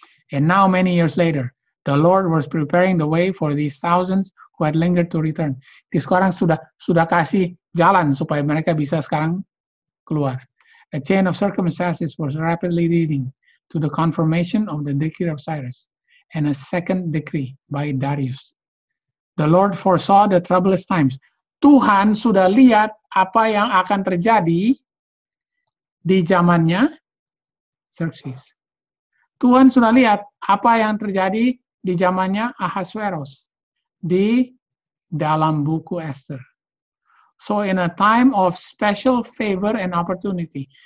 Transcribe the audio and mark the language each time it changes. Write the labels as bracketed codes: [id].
[en] And now many years later, the Lord was preparing the way for these thousands who had lingered to return. [id] Jadi sekarang sudah kasih jalan supaya mereka bisa sekarang keluar. [en] A chain of circumstances was rapidly leading to the confirmation of the decree of Cyrus and a second decree by Darius. The Lord foresaw the troublous times. [id] Tuhan sudah lihat apa yang akan terjadi di zamannya Xerxes. Tuhan sudah lihat apa yang terjadi di zamannya Ahasuerus di dalam buku Esther. [en] So in a time of special favor and opportunity.